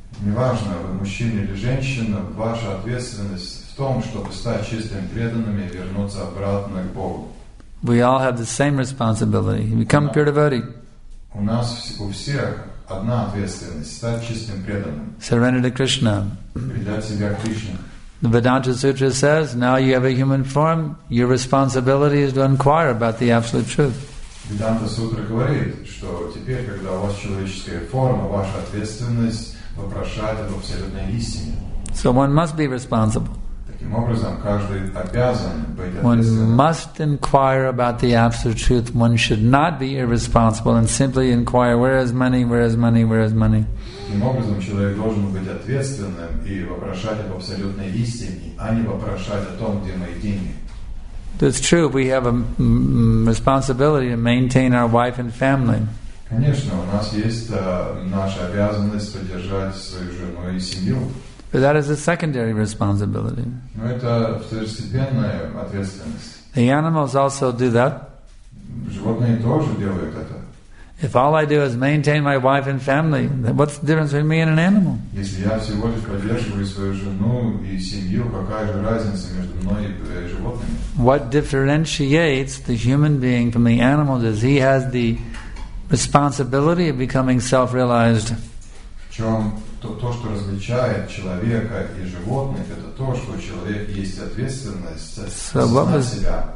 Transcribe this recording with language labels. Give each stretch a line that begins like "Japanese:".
Russian: Неважно, вы мужчина или женщина, ваша ответственность в том, чтобы стать чистым преданным и вернуться обратно к Богу.
English: We all have the same responsibility. Become a pure devotee.
Russian: У нас у всех одна ответственность – стать чистым преданным.
English: Surrender to Krishna.
Russian: Предать себя Кришне.
English: The Vedanta Sutra says, now you have a human form, your responsibility is to inquire about the Absolute Truth.
Russian: Vedanta Sutra говорит, что теперь, когда у вас человеческая форма, ваша ответственность – вопрошать об абсолютной истине.
English: So one must be responsible.
Russian: Таким образом, каждый обязан быть ответственным.
English: One must inquire about the Absolute Truth. One should not be irresponsible and simply inquire, where is money, where is money, where is money.
Russian: Таким образом, человек должен быть ответственным и вопрошать об абсолютной истине, а не вопрошать о том, где мои деньги.
English: That's true. We have a responsibility to maintain our wife and family.
Russian: Конечно, у нас есть наша обязанность поддержать свою жену и семью.
English: But that is a secondary responsibility.
Russian: Но это второстепенная ответственность.
English: The animals also do that.
Russian: Животные тоже делают это.
English: If all I do is maintain my wife and family, then what's the difference between me and an animal?
Russian: Если я всего лишь поддерживаю свою жену и семью, какая же разница между мной и животными?
English: What differentiates the human being from the animals is he has the responsibility of becoming self-realized.
Russian: То, что различает человека и животных, это то, что у человека есть ответственность за себя.